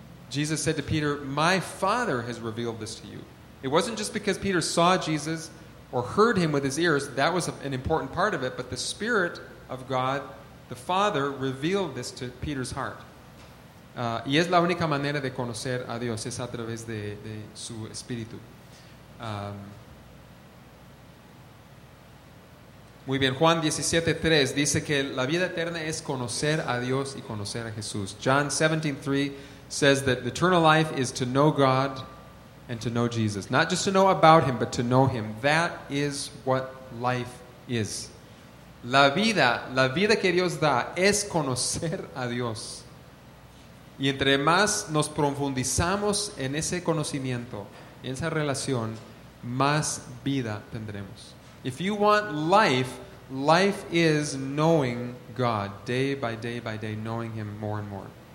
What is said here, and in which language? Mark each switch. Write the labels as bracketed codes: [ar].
[en] Jesus said to Peter, "My Father has revealed this to you." It wasn't just because Peter saw Jesus or heard Him with his ears. That was an important part of it. But the Spirit of God, the Father, revealed this to Peter's heart. [es] Y es la única manera de conocer a Dios, es a través de su espíritu. Muy bien, Juan 17:3 dice que la vida eterna es conocer a Dios y conocer a Jesús. [en] John 17:3 says that the eternal life is to know God and to know Jesus. Not just to know about Him, but to know Him. That is what life is. [es] La vida que Dios da es conocer a Dios. Y entre más nos profundizamos en ese conocimiento, en esa relación, más vida tendremos. [en] If you want life, life is knowing God, day by day by day, knowing Him more and more.